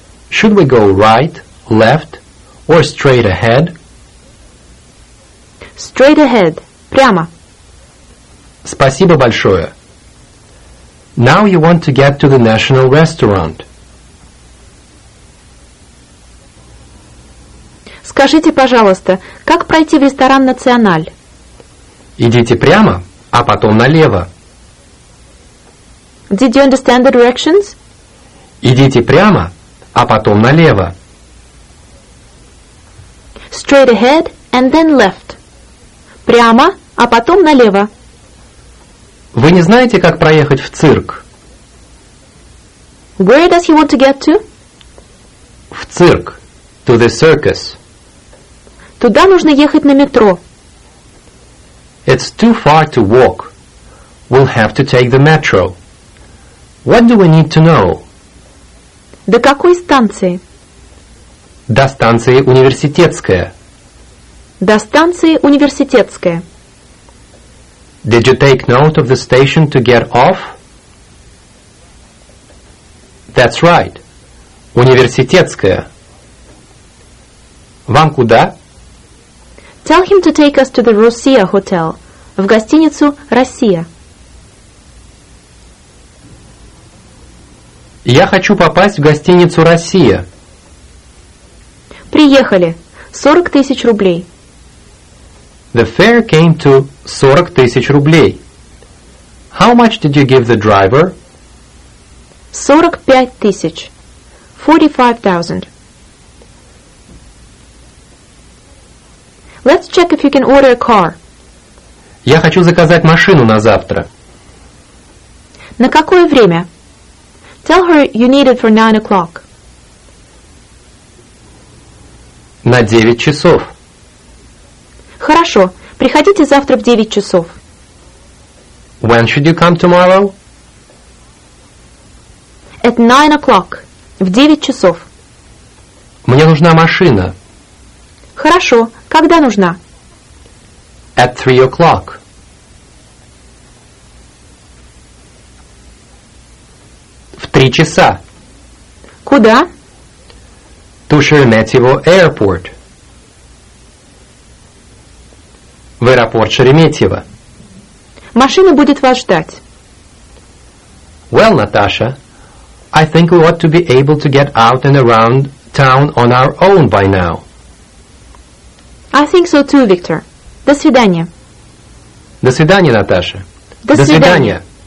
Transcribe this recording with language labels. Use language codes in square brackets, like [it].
[en] Should we go right, left, or straight ahead? Straight ahead. [ru] Прямо. Спасибо большое. [en] Now you want to get to the National Restaurant. [ru] Скажите, пожалуйста, как пройти в ресторан «Националь»? Идите прямо, а потом налево. [en] Did you understand the directions? [ru] Идите прямо, а потом налево. [en] Straight ahead and then left. [ru] Прямо, а потом налево. Вы не знаете, как проехать в цирк? [en] Where does he want to get to? [ru] В цирк. [en] To the circus. [ru] Туда нужно ехать на метро. [en] It's too far to walk. We'll have to take the metro. What do we need to know? [ru] До какой станции? До станции Университетская. До станции Университетская. [en] Did you take note of the station to get off? That's right. [ru] Университетская. Вам куда? [en] Tell him to take us to the Russia Hotel. [ru] В гостиницу «Россия». Я хочу попасть в гостиницу «Россия». Приехали. 40 000 рублей. [en] The fare came to 40 000 рублей. How much did you give the driver? 45 000. 45,000. Let's check if you can order a car. [ru] Я хочу заказать машину на завтра. На какое время? [en] Tell her you need it for 9 o'clock. [ru] На 9 часов. Хорошо. Приходите завтра в 9 часов. [en] When should you come tomorrow? At 9 o'clock. [ru] В 9 часов. Мне нужна машина. Хорошо. Когда нужна? [en] At 3 o'clock. [ru] В 3 часа. Куда? [en] To Sheremetyevo Airport. [ru] В аэропорт Шереметьево. Машина будет вас ждать. [en] Well, Natasha, I think we ought to be able to get out and around town on our own by now. I think so too, Victor. [ru] До свидания. До свидания, Наташа. До свидания.